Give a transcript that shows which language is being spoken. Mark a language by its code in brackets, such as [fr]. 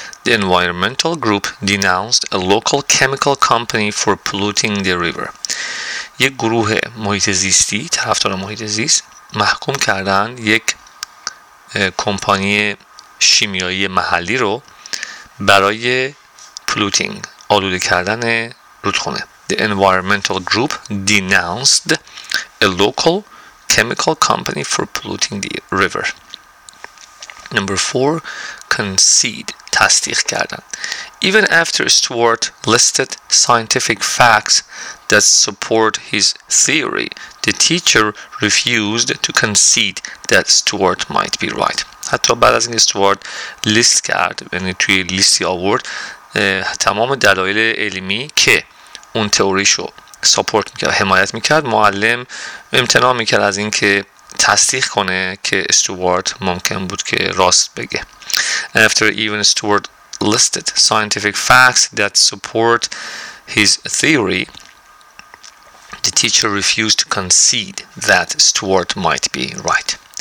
[en] The environmental group denounced a local chemical company for polluting the river. [fa] یک گروه محیط زیستی، طرفدار محیط زیست، محکوم کردن یک کمپانی شیمیایی محلی رو برای پلوتینگ، آلوده کردن رودخونه. [en] The environmental group denounced a local chemical company for polluting the river. Number four, concede، [fa] تصدیق کردن. [en] Even after Stuart listed scientific facts that support his theory, the teacher refused to concede that Stuart might be right. [fa] حتی بعد از این استوارت لیست کرد، یعنی توی لیستی آورد تمام دلایل علمی که اون تئوریشو ساپورت میکرد، حمایت میکرد، معلم امتناع میکرد از این که تصدیق کنه که استوارت ممکن بود که راست بگه. [en] After even Stuart listed scientific facts that support his theory, the teacher refused to concede that Stuart might be right.